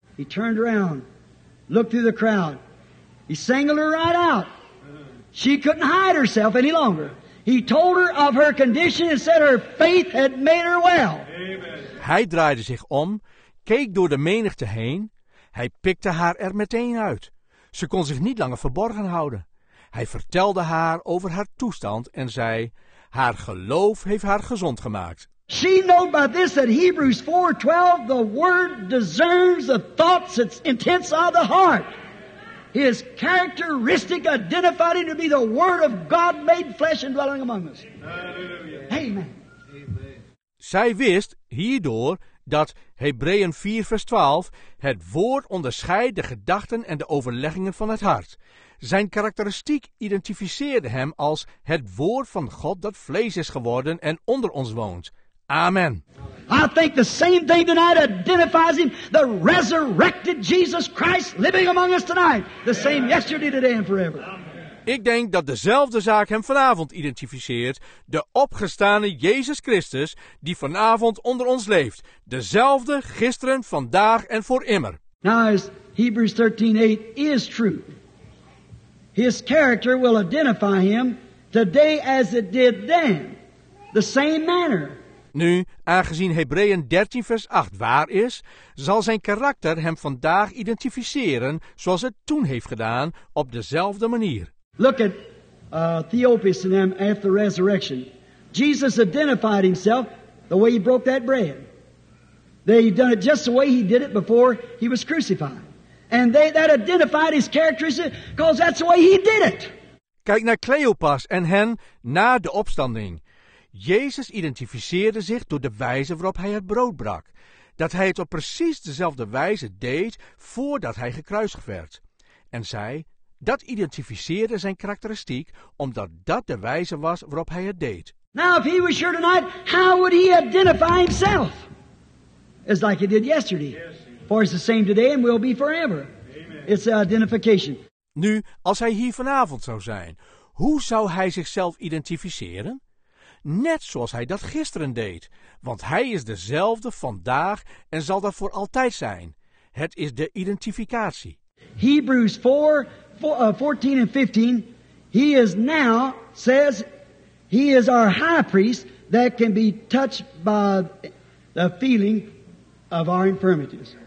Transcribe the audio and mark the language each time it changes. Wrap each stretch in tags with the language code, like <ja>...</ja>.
<en>He turned around, looked through the crowd. He singled her right out. She couldn't hide herself any longer. He told her of her condition and said her faith had made her well.</en> <nl>Hij draaide zich om, keek door de menigte heen. Hij pikte haar er meteen uit. Ze kon zich niet langer verborgen houden. Hij vertelde haar over haar toestand en zei, haar geloof heeft haar gezond gemaakt.</nl> <en>She knew by this that Hebrews 4:12, the word discerns the thoughts, its intents of the heart. His characteristic identified him to be the word of God made flesh and dwelling among us. Amen. Amen.</en> <nl>Zij wist hierdoor dat Hebreeën 4 vers 12 het woord onderscheidt de gedachten en de overleggingen van het hart. Zijn karakteristiek identificeerde hem als het woord van God dat vlees is geworden en onder ons woont. Amen.</nl> <en>I think the same thing tonight identifies him, the resurrected Jesus Christ living among us tonight. The same yesterday, today and forever.</en> <nl>Ik denk dat dezelfde zaak hem vanavond identificeert, de opgestane Jezus Christus die vanavond onder ons leeft. Dezelfde gisteren, vandaag en voor immer.</nl> <en>Now as Hebrews 13:8 is true, his character will identify him today as it did then, the same manner.</en> <nl>Nu, aangezien Hebreeën 13 vers 8 waar is, zal zijn karakter hem vandaag identificeren zoals het toen heeft gedaan, op dezelfde manier.</nl> <en>Look at Theophilus and them after the resurrection. Jesus identified himself the way he broke that bread. They done it just the way he did it before he was crucified. And that identified his characteristics because that's the way he did it.</en> <nl>Kijk naar Cleopas en hen na de opstanding. Jezus identificeerde zich door de wijze waarop hij het brood brak. Dat hij het op precies dezelfde wijze deed voordat hij gekruisigd werd. En zij, dat identificeerde zijn karakteristiek omdat dat de wijze was waarop hij het deed.</nl> <en>Now if he was here tonight, how would he identify himself? It's like he did yesterday. For it's the same today and will be forever. It's identification.</en> <nl>Nu, als hij hier vanavond zou zijn, hoe zou hij zichzelf identificeren? Net zoals hij dat gisteren deed, want hij is dezelfde vandaag en zal dat voor altijd zijn. Het is de identificatie.</nl> <en>Hebrews 14 and 15, he is now, says, he is our high priest that can be touched by the feeling of our infirmities.</en>